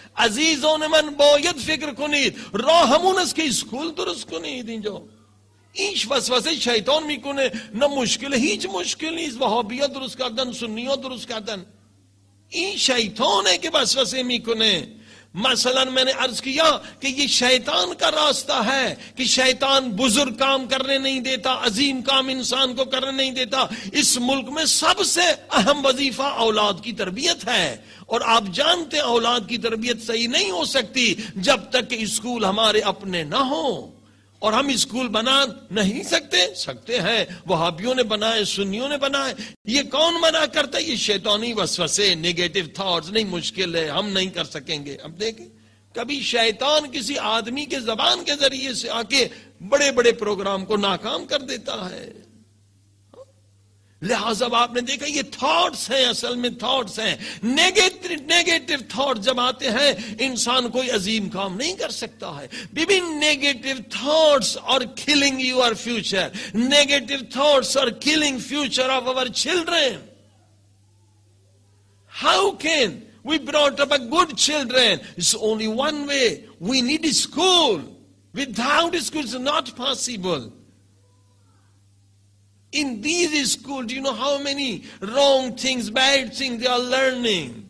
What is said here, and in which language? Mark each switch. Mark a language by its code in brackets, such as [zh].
[fa] عزیزان من باید فکر کنید. راه همون است که اسکول درست کنید. اینجا هیچ وسوسه شیطان میکنه، نه مشکل، هیچ مشکل نیست. وهابیا درست کردن، سنی ها درست کردن، این شیطانه که وسوسه میکنه. [ur] مثلا من عرض کیا کہ یہ شیطان کا راستہ ہے کہ شیطان بزرگ کام کرنے نہیں دیتا، عظیم کام انسان کو کرنے نہیں دیتا. اس ملک میں سب سے اہم وظیفہ اولاد کی تربیت ہے، اور آپ جانتے ہیں اولاد کی تربیت صحیح نہیں ہو سکتی جب تک کہ اسکول ہمارے اپنے نہ ہوں. اور ہم اسکول بنا نہیں سکتے. سکتے ہیں، وہابیوں نے بنائے، سنیوں نے بنائے. یہ کون منع کرتا ہے؟ یہ شیطانی وسوسے، [en] Negative thoughts. [ur] نہیں، مشکل ہے، ہم نہیں کر سکیں گے. اب دیکھیں، کبھی شیطان کسی آدمی کے زبان کے ذریعے سے آ کے بڑے بڑے پروگرام کو ناکام کر دیتا ہے. لہذا آپ نے دیکھا یہ تھاٹس ہیں، اصل میں تھاٹس ہیں. [en] negative thought [ur] جب آتے ہیں، انسان کوئی عظیم کام نہیں کر سکتا ہے. [fa] بیبین، [en] Negative thoughts are killing your future. Negative thoughts are killing future of our children. How can we brought up a good children? It's only one way, we need school. Without school it's not possible. In these schools, do you know how many wrong things, bad things they are learning?